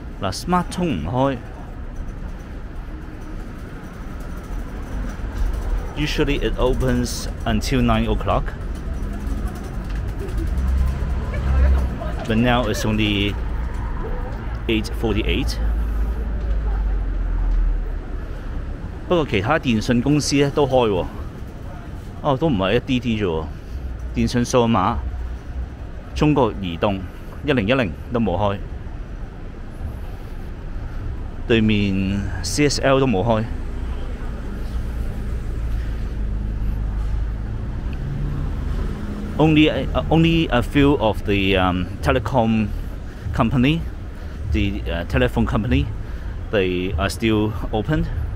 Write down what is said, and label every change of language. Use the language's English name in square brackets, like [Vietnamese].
[English] Smart 通唔開，usually it opens until 9 o'clock， but now it's only 8:48。 [Cantonese] 不過其他電信公司咧都開喎，哦，都唔係一啲啲啫喎，電信數碼。 [English] 中國移動1010都冇開，對面 CSL 都冇開， only a few of the telephone company they are still open。